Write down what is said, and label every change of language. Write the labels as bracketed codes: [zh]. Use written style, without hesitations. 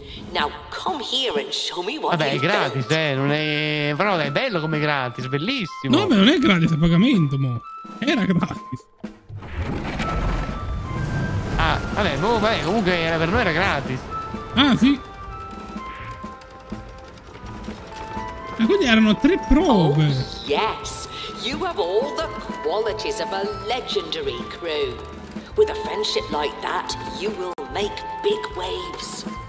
[en] Now come here and show me what. [it] Vabbè, è gratis, non è. Però è bello come gratis, bellissimo. No, ma non è gratis a pagamento, mo. Era gratis. Ah, vabbè, comunque per noi era gratis. Ah, sì. E quindi erano tre prove. [en] Oh, yes! You have all the qualities of a legendary crew. With a friendship like that, you will make big waves.